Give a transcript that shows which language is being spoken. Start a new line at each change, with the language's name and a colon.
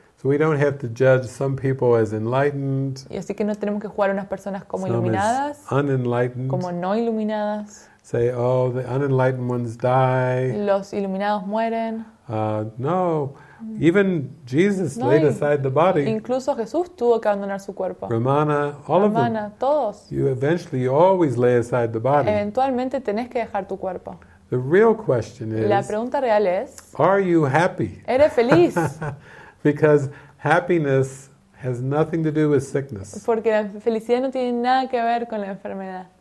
English: So we don't have to judge some people as enlightened.
Spanish: Y así que no tenemos que jugar a unas personas como iluminadas.
English: Unenlightened.
Spanish: Como no iluminadas.
English: Say, oh, the unenlightened ones die.
Spanish: Los iluminados mueren.
English: No. Even Jesus laid aside the body.
Spanish: Incluso Jesús tuvo que abandonar su cuerpo.
English: Ramana, all of them.
Spanish: Ramana, todos.
English: You eventually always lay aside the body.
Spanish: Eventualmente tenés que dejar tu cuerpo.
English: The real question is,
Spanish: la pregunta real es,
English: are you happy?
Spanish: ¿Eres feliz?
English: Because happiness has nothing to do with sickness.
Spanish: Porque la felicidad no tiene nada que ver con la enfermedad.